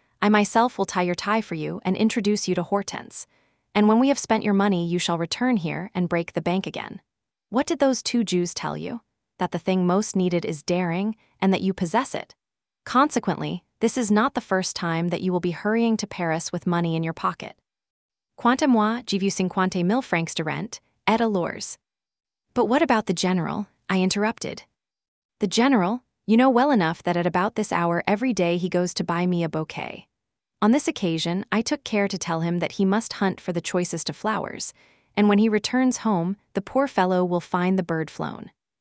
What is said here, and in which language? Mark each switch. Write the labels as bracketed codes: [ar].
[en] I myself will tie your tie for you and introduce you to Hortense. And when we have spent your money, you shall return here and break the bank again. What did those two Jews tell you? That the thing most needed is daring, and that you possess it. Consequently, this is not the first time that you will be hurrying to Paris with money in your pocket. [fr] Quant à moi, j'ai vu 50 000 francs de rente, et alors. [en] But what about the general? I interrupted. The general, you know well enough that at about this hour every day he goes to buy me a bouquet. On this occasion, I took care to tell him that he must hunt for the choicest of flowers, and when he returns home, the poor fellow will find the bird flown.